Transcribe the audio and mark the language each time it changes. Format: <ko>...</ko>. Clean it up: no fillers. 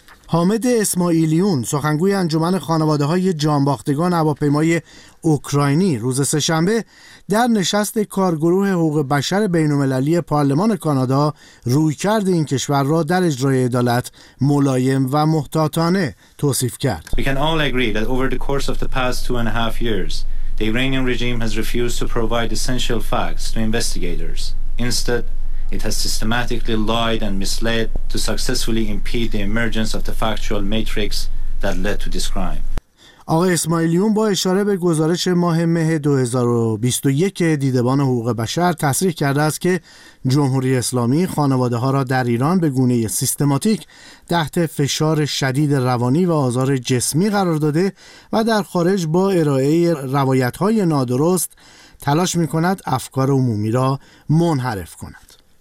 <fa>حامد اسماعیلیون، سخنگوی انجمن خانواده‌های جانباختگان هواپیمای اوکراینی، روز سه‌شنبه در نشست کارگروه حقوق بشر بین‌المللی پارلمان کانادا رویکرد این کشور را در اجرای عدالت ملایم و محتاطانه توصیف کرد.</fa> <en>We can all agree that over the course of the past 2.5 years, the Iranian regime has refused to provide essential facts to investigators. Instead, it has systematically lied and misled to successfully impede the emergence of the factual matrix that led to this crime.</en> <fa>آقای اسماعیلیون با اشاره به گزارش ماه مه 2021 دیدبان حقوق بشر تصریح کرده است که جمهوری اسلامی خانواده‌ها را در ایران به گونه سیستماتیک تحت فشار شدید روانی و آزار جسمی قرار داده و در خارج با ارائه روایت‌های نادرست تلاش می‌کند افکار عمومی را منحرف کند.</fa>